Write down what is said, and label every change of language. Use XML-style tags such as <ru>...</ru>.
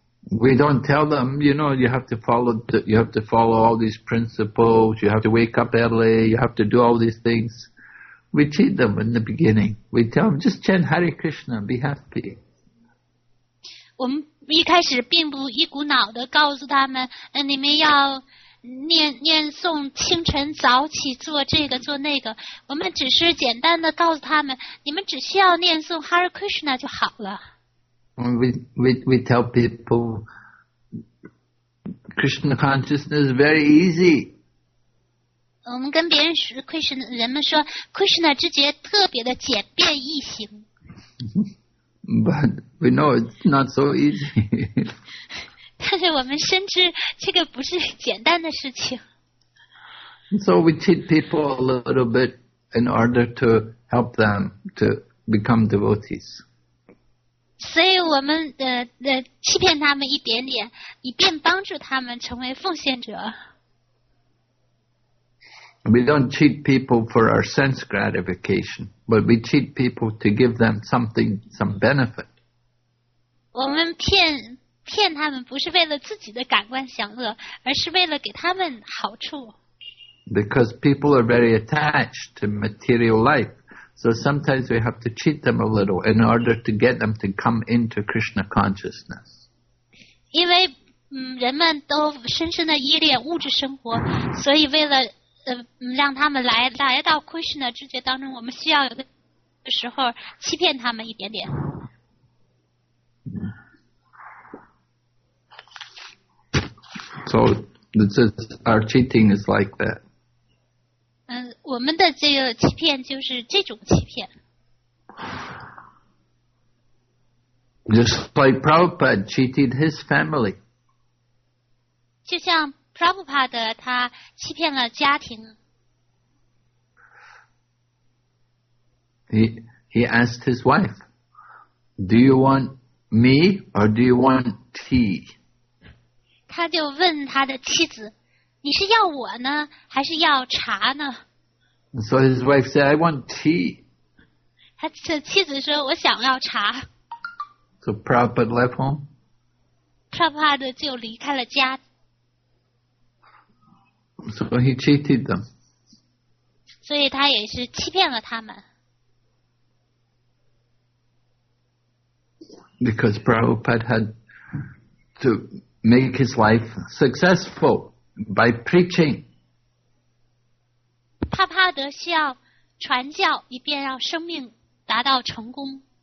<en>We don't tell them, you know, you have to follow all these principles, you have to wake up early, you have to do all these things. We cheat them in the beginning. We tell them, just chant Hare Krishna and be happy.</en> <zh>我们一开始并不一股脑的告诉他们，你们要念诵清晨早起做这个做那个，我们只是简单的告诉他们，你们只需要念诵 Hare Krishna 就好了。</zh> <en>We tell people Krishna consciousness is very easy.</en> <zh>我们跟别人说 Krishna， 人们说 Krishna 知觉特别的简便易行。</zh> <en>But we know it's not so easy.</en> <zh>但是我们深知这个不是简单的事情。</zh> <en>So we teach people a little bit in order to help them to become devotees.</en> <zh>所以我们欺骗他们一点点，以便帮助他们成为奉献者。</zh> <en>We don't cheat people for our sense gratification, but we cheat people to give them something, some benefit.</en> <zh>我们骗他们不是为了自己的感官享乐，而是为了给他们好处。</zh> <en>Because people are very attached to material life, so sometimes we have to cheat them a little in order to get them to come into Krishna consciousness.</en> <zh>因为人们都深深的依恋物质生活，所以为了让他们来到 Krishna 知觉当中，我们需要有的时候欺骗他们一点点。</zh> <en>So this is, our cheating is like that.</en> <zh>我们的这个欺骗就是这种欺骗。</zh> <en>Just like Prabhupada cheated his family.</en> <zh>就像Prabhupada 他欺骗了家庭。</zh> <en>He asked his wife, "Do you want me or do you want tea?"</en> <zh>他就问他的妻子，你是要我呢，还是要茶呢？</zh> <en>So his wife said, "I want tea."</en> <zh>他的妻子说，我想要茶。</zh> <en>So Prabhupada left home.</en> <zh>Prabhupada 就离开了家。</zh> <en>So he cheated them.</en> <zh>所以他也是欺骗了他们。</zh> <en>Because Prabhupada had to make his life successful by preaching.</en> <zh>帕帕德需要传教，以便让生命达到成功。</zh>